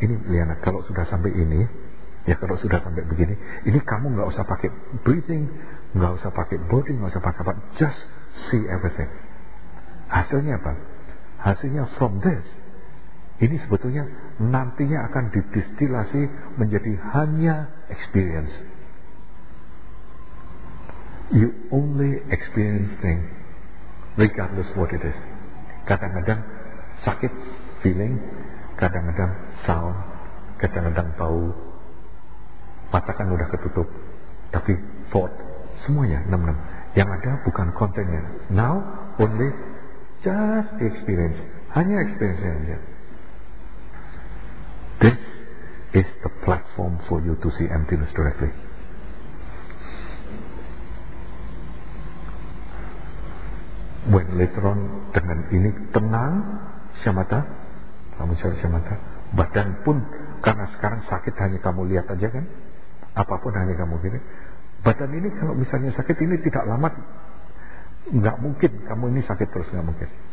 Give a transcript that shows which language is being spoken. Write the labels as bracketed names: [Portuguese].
[Indonesian] Ini Liana, kalau sudah sampai ini, ya kalau sudah sampai begini, ini kamu enggak usah pakai breathing, enggak usah pakai body, enggak usah pakai apa, [English] just see everything. [Indonesian] Hasilnya apa? Hasilnya [English] from this, [Indonesian] ini sebetulnya nantinya akan didistilasi menjadi hanya experience. [English] You only experience thing, regardless what it is. [Indonesian] Kadang-kadang sakit feeling, kadang-kadang sound, kadang-kadang bau. Mata kan udah ketutup, tapi thought, semuanya, enam-enam. Yang ada bukan kontennya. [English] Now only just the experience, [Indonesian] hanya experience aja. [English] This is the platform for you to see emptiness directly. When later on [Indonesian] dengan ini tenang, syamata, kamu cari syamata, badan pun karena sekarang sakit hanya kamu lihat aja kan, apapun hanya kamu gini. Badan ini kalau misalnya sakit ini tidak lama, nggak mungkin kamu ini sakit terus, nggak mungkin.